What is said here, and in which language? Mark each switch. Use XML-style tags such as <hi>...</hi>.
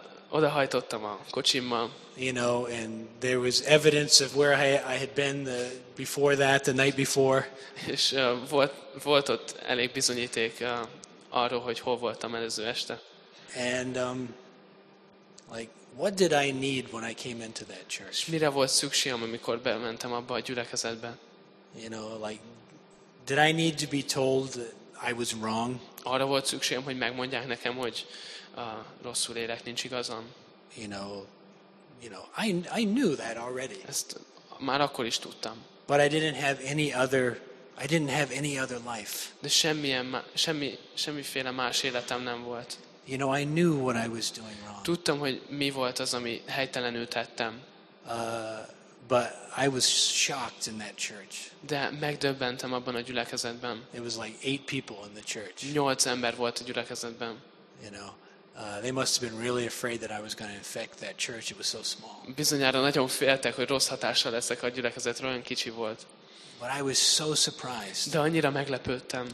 <hu>Oda hajtottam a kocsimmal.</hu> <en>You know, and there was evidence of where I had been before that, the night before.</en> <hu>És volt ott elég bizonyíték arról, hogy hol voltam előző este.</hu> <en>And like, what did I need when I came into that church?</en> <hu>Mire volt szükségem, amikor bementem abba a gyülekezetbe?</hu> <en>You know, like, did I need to be told that I was wrong?</en> <hu>Arra volt szükségem, hogy megmondják nekem, hogy rosszul élek, nincs igazam.</hu> <en>You know, I knew that already.</en> <hu>Ezt már akkor is tudtam.</hu> <en>But I didn't have any other life.</en> <hu>De semmiféle más életem nem volt.</hu> <en>You know, I knew what I was doing wrong.</en> <hu>Tudtam, hogy mi volt az, ami helytelenül tettem.</hu> <en>But I was shocked in that church.</en> <hu>De megdöbbentem abban a gyülekezetben.</hu> <en>It was like 8 people in the church.</en> <hu>8 ember volt a gyülekezetben.</hu> <en>You know, they must have been really afraid that I was going to infect that church. It was so small.</en> <hu>Bizonyára nagyon féltek, hogy rossz hatással leszek a gyülekezetre, olyan kicsi volt.</hu> <en>But I was so surprised.</en> <hu>De annyira meglepődtem.</hu>